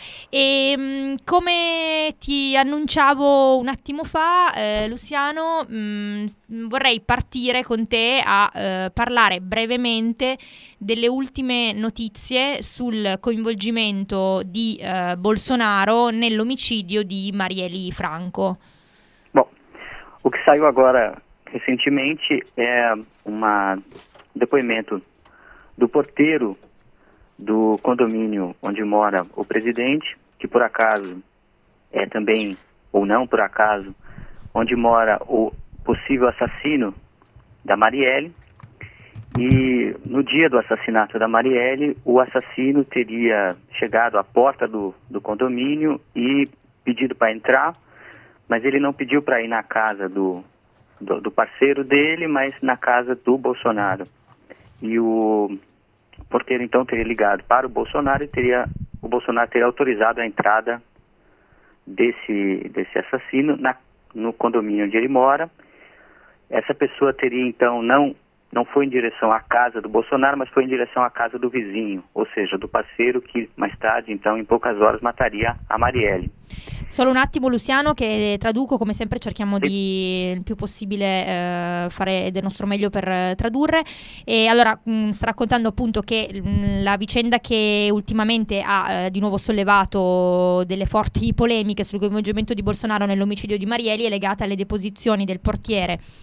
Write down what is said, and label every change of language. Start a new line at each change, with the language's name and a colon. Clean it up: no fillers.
Italian: E come ti annunciavo un attimo fa, Luciano, vorrei partire con te a parlare brevemente delle ultime notizie sul coinvolgimento di Bolsonaro nell'omicidio di Marielly Franco.
Portuguese: Bom, o que saiu agora recentemente é um depoimento do porteiro do condomínio onde mora o presidente, que por acaso é também, ou não por acaso, onde mora o possível assassino da Marielle. E no dia do assassinato da Marielle, o assassino teria chegado à porta do condomínio e pedido para entrar, mas ele não pediu para ir na casa do parceiro dele, mas na casa do Bolsonaro. E o porteiro então teria ligado para o Bolsonaro e o Bolsonaro teria autorizado a entrada desse assassino no condomínio onde ele mora. Essa pessoa teria então não foi em direção à casa do Bolsonaro, mas foi em direção à casa do vizinho, ou seja, do parceiro que mais tarde, então, em poucas horas, mataria a Marielle.
Italian: Solo un attimo, Luciano, che traduco, come sempre cerchiamo di il più possibile fare del nostro meglio per tradurre. E allora sta raccontando appunto che la vicenda che ultimamente ha di nuovo sollevato delle forti polemiche sul coinvolgimento di Bolsonaro nell'omicidio di Marielly è legata alle deposizioni del portiere